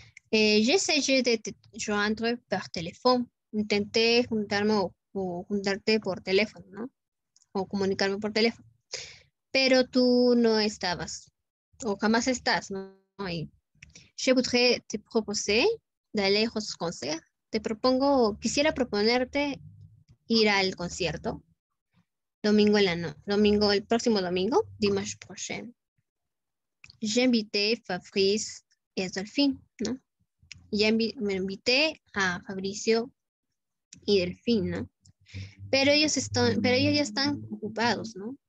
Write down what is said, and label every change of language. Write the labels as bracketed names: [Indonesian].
[French] J'essaie de te joindre par téléphone. [Spanish] Intenté juntarme o juntarte por teléfono, ¿no? O comunicarme por teléfono. Pero tú no estabas. O jamás estás, ¿no? Y [French] je voudrais te proposer d'aller au concert. [Spanish] Te propongo, quisiera proponerte ir al concierto. Domingo en la noche. Domingo, el próximo domingo. [French] Dimanche prochain. J'invite Fabrice et Delphine, [Spanish] ¿no? Me invité a Fabricio y Delphine, ¿no? Pero ellos están, pero ellos ya están ocupados, ¿no?